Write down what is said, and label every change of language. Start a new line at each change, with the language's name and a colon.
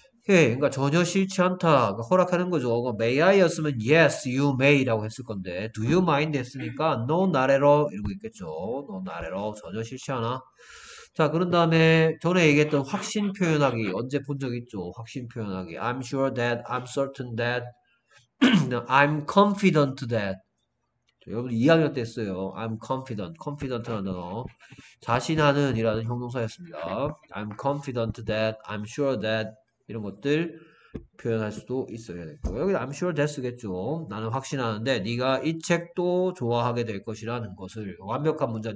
Korean: 예, 그러니까 전혀 싫지 않다. 그러니까 허락하는 거죠.
English: may I
Korean: 였으면
English: yes you may
Korean: 라고 했을 건데
English: do you mind
Korean: 했으니까
English: no not at all
Korean: 이러고 있겠죠.
English: no not at all
Korean: 전혀 싫지 않아. 자, 그런 다음에 전에 얘기했던 확신 표현하기 언제 본적 있죠? 확신 표현하기.
English: I'm sure that, I'm certain that, I'm confident that.
Korean: 여러분 2학년 때 했어요.
English: I'm confident,
Korean: confident라는 단어. 자신하는 이라는 형용사였습니다.
English: I'm confident that, I'm sure that
Korean: 이런 것들 표현할 수도 있어야 되고 여기
English: I'm sure that
Korean: 쓰겠죠. 나는 확신하는데 네가 이 책도 좋아하게 될 것이라는 것을 완벽한 문장.